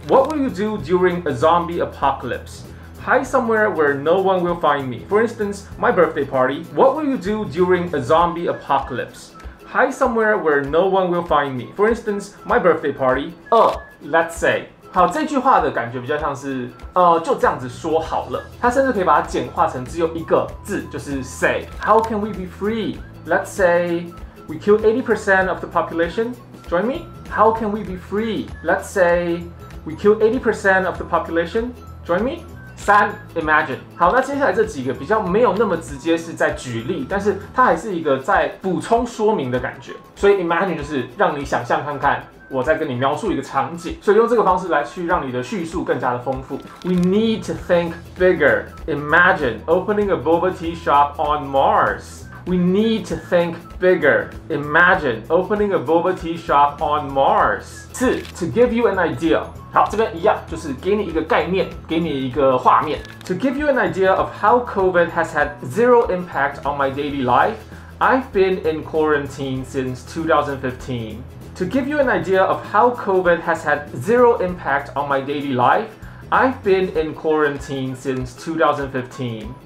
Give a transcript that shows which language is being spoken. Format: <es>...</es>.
<en>What will you do during a zombie apocalypse？ Hide somewhere where no one will find me. For instance, my birthday party. What will you do during a zombie apocalypse? Hide somewhere where no one will find me. For instance, my birthday party. Let's say.</en> <zh>好，这句话的感觉比较像是就这样子说好了。它甚至可以把它简化成只有一个字，就是 say.</zh> <en>How can we be free? Let's say we kill 80% of the population. Join me. How can we be free? Let's say we kill 80% of the population. Join me.</en> <zh>三 ，imagine。好，那接下来这几个比较没有那么直接是在举例，但是它还是一个在补充说明的感觉。所以 imagine 就是让你想象看看，我在跟你描述一个场景。所以用这个方式来去让你的叙述更加的丰富。</zh> <en>We need to think bigger. Imagine opening a boba tea shop on Mars. We need to think bigger. Imagine opening a boba tea shop on Mars. 四 ，to give you an idea。</en> <zh>好，这边一样，就是给你一个概念，给你一个画面。</zh> <en>To give you an idea of how COVID has had zero impact on my daily life, I've been in quarantine since 2015. To give you an idea of how COVID has had zero impact on my daily life, I've been in quarantine since 2015.</en>